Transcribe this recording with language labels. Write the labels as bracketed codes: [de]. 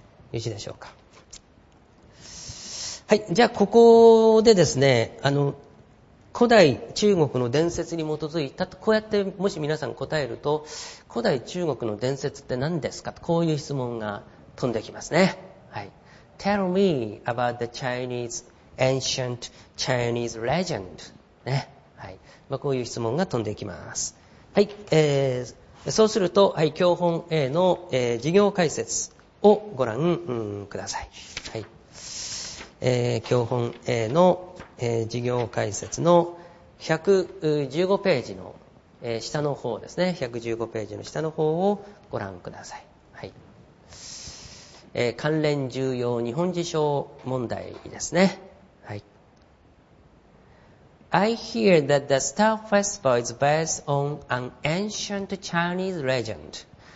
[ja] よしでしょうか。はい。じゃあ、ここでですね、古代中国の伝説に基づいたと、こうやってもし皆さん答えると、古代中国の伝説って何ですか？こういう質問が飛んできますね。はい。 [en] Tell me about the Chinese ancient Chinese legend. [ja] ね。はい。まあ、こういう質問が飛んできます。はい。そうすると、はい、教本 A の、授業解説をご覧、ください。はい。教本 A の授業解説の115ページの下の方ですね。 115ページの下の方をご覧ください。はい。関連重要日本事象問題ですね。はい。 [en] I hear that the Star Festival is based on an ancient Chinese legend.